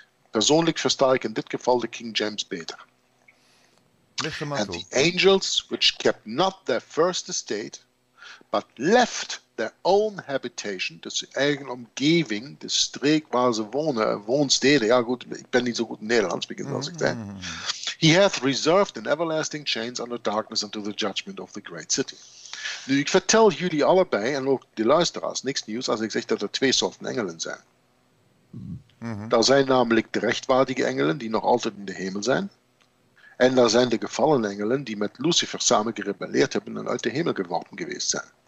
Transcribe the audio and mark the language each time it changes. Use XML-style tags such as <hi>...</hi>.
<nl>Persoonlijk versta ik in dit geval de King James beter.</nl> <en>And the angels which kept not their first estate, but left their own habitation,</en> <nl>dus de eigen omgeving, de streek waar ze wonen, woonsteden, ja goed, ik ben niet zo goed in Nederlands, begin als ik zei.</nl> <en>He hath reserved in everlasting chains under darkness until the judgment of the great city.</en> <nl>Nu, ik vertel jullie allebei, en ook de luisteraars, niks nieuws, als ik zeg dat er twee soorten engelen zijn. Daar zijn namelijk de rechtwaardige engelen, die nog altijd in de hemel zijn. En daar zijn de gevallen engelen, die met Lucifer samen gerebelleerd hebben en uit de hemel geworpen geweest zijn.</nl>